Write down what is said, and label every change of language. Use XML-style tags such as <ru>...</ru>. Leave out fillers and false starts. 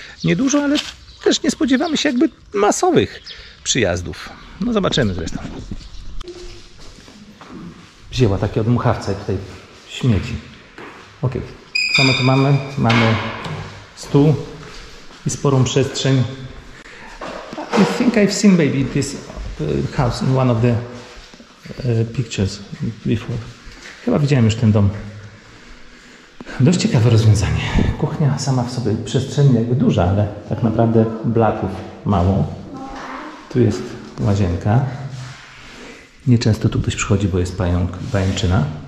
<pl>Niedużo, ale też nie spodziewamy się jakby masowych przyjazdów. No zobaczymy zresztą. Wzięła takie odmuchawce tutaj śmieci. Ok. Co my tu mamy? Mamy stół i sporą przestrzeń.</pl> <en>I think I've seen maybe this house in one of the pictures before.</en> <pl>Chyba widziałem już ten dom. Dość ciekawe rozwiązanie. Kuchnia sama w sobie przestrzennie jakby duża, ale tak naprawdę blaków mało. Tu jest łazienka. Nieczęsto tu ktoś przychodzi, bo jest pajęczyna.</pl>